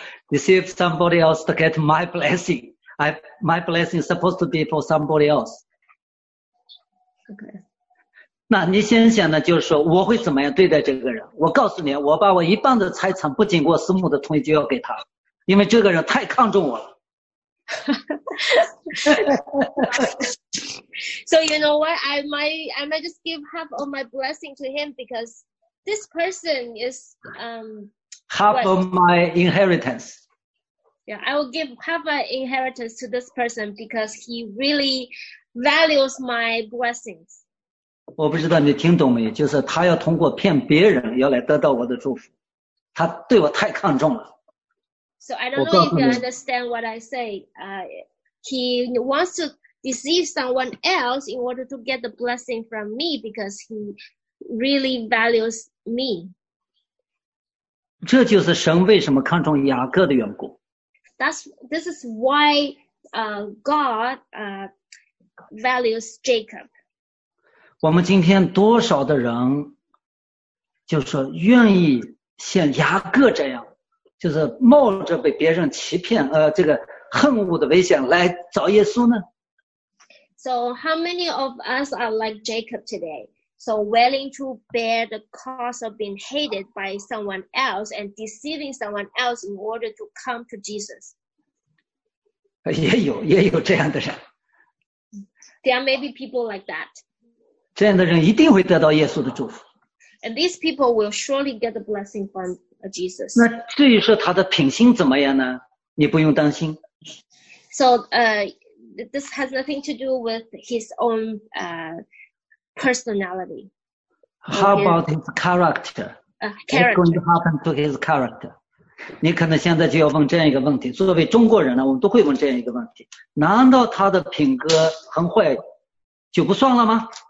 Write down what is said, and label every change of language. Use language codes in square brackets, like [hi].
[en] Deceive somebody else to get my blessing. My blessing is supposed to be for somebody else. Okay. [zh] 那你先想呢，就是说我会怎么样对待这个人？我告诉你，我把我一半的财产不经过师母的同意就要给他，因为这个人太看重我了。 [en] So you know what? I might just give half of my blessing to him because this person is half of my inheritance. Yeah, I will give half my inheritance to this person because he really values my blessings. [zh] 我不知道你听懂没有，就是他要通过骗别人要来得到我的祝福，他对我太看重了。 [en] So I don't know if you understand what I say. He wants to deceive someone else in order to get the blessing from me because he really values me. [zh] 这就是神为什么看重雅各的缘故。 [en] This is why God values Jacob. [zh] 我们今天多少的人就是愿意像雅各这样，就是冒着被别人欺骗这个恨恶的危险来找耶稣呢？ [en] So how many of us are like Jacob today? So willing to bear the cost of being hated by someone else and deceiving someone else in order to come to Jesus? [zh] 也有这样的人。 [en] There may be people like that. [zh] 这样的人一定会得到耶稣的祝福。 [en] And these people will surely get the blessing from Jesus. [zh] 那至于说他的品性怎么样呢？你不用担心。 [en] So, this has nothing to do with his own personality. How about his character? Character. What's going to happen to his character? [zh] 你可能现在就要问这样一个问题。作为中国人呢，我们都会问这样一个问题：难道他的品格很坏就不算了吗？